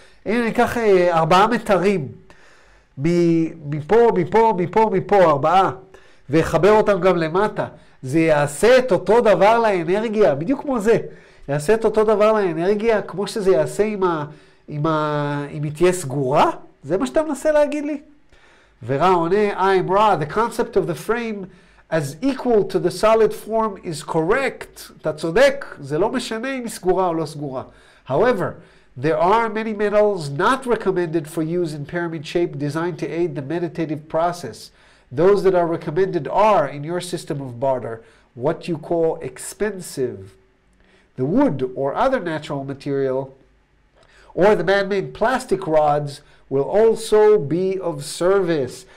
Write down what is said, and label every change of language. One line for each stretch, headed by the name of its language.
Hebrew: אם אני אקח ארבעה מיתרים, מפה, ארבעה, ויחבר אותם גם למטה, זה יעשה את אותו דבר לאנרגיה, בדיוק כמו זה. יעשה את אותו דבר לאנרגיה, כמו שזה יעשה עם אם היא תהיה סגורה? זה מה שאתה מנסה להגיד לי? ורע עונה,
English: I'm Ra, the concept of the frame as equal to the solid form is correct.
Hebrew: אתה צודק, זה לא משנה אם היא סגורה או לא סגורה.
English: However, there are many metals not recommended for use in pyramid shape designed to aid the meditative process. Those that are recommended are, in your system of barter, what you call expensive. The wood or other natural material or the man-made plastic rods will also be of service.